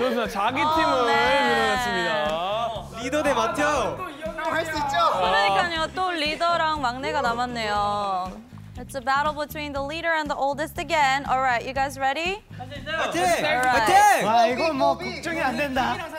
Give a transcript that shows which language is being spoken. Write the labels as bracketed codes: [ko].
[ko] 자기 팀을 이뤄냈습니다. 리더 대 마테오. 할 수 있죠? 그러니까요. 또 리더랑 막내가 남았네요. [en] It's a battle between the leader and the oldest again. All right, you guys ready? [ko] 화이팅! 화이팅! 와, 이건 뭐 걱정이 안 된다.